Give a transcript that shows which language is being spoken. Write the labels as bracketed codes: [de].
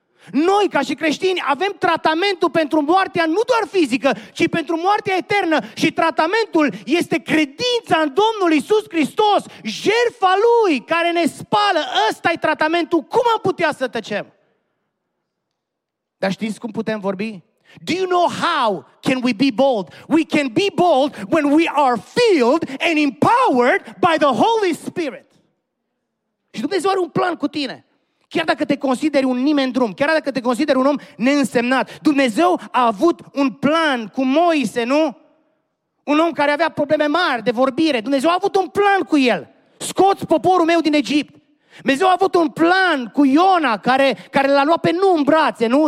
[ro] Noi, ca și creștini, avem tratamentul pentru moartea nu doar fizică, ci pentru moartea eternă. Și tratamentul este credința în Domnul Iisus Hristos, jertfa Lui care ne spală. Ăsta e tratamentul. Cum am putea să tăcem? Dar știți cum putem vorbi? [en] Do you know how can we be bold? We can be bold when we are filled and empowered by the Holy Spirit. [ro] Și Dumnezeu are un plan cu tine. Chiar dacă te consideri un nimeni drum, chiar dacă te consideri un om neînsemnat, Dumnezeu a avut un plan cu Moise, nu? Un om care avea probleme mari de vorbire. Dumnezeu a avut un plan cu el. Scoți poporul meu din Egipt. Dumnezeu a avut un plan cu Iona, care l-a luat pe nu în brațe, nu?